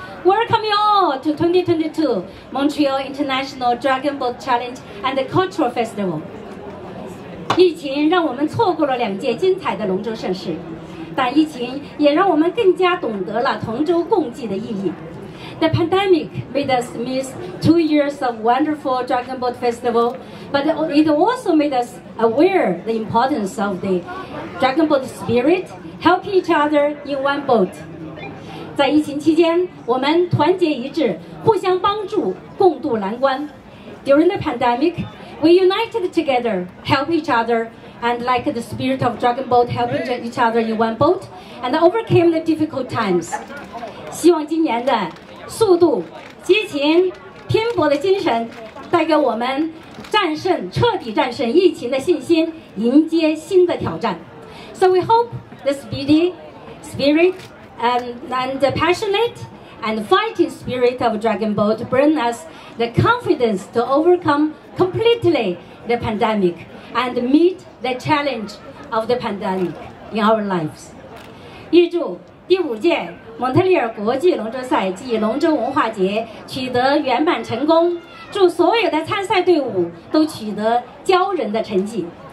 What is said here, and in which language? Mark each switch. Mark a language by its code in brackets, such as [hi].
[en] Welcome you all to 2022 Montreal International Dragon Boat Challenge and Cultural Festival. [zh] 疫情让我们错过了两届精彩的龙舟盛事，但疫情也让我们更加懂得了同舟共济的意义。 [en] The pandemic made us miss 2 years of wonderful Dragon Boat Festival, but it also made us aware the importance of the Dragon Boat spirit, helping each other in one boat. [zh] 在疫情期间，我们团结一致，互相帮助，共度难关。 [en] During the pandemic, we united together, help each other, and like the spirit of Dragon Boat, helping each other in one boat, and overcame the difficult times. [zh] 希望今年的速度、激情、拼搏的精神，带给我们战胜、彻底战胜疫情的信心，迎接新的挑战。 [en] So we hope the speedy spirit and the passionate and fighting spirit of Dragon Boat bring us the confidence to overcome completely the pandemic and meet the challenge of the pandemic in our lives. [zh] 预祝第五届蒙特利尔国际龙舟赛暨龙舟文化节取得圆满成功，祝所有的参赛队伍都取得骄人的成绩。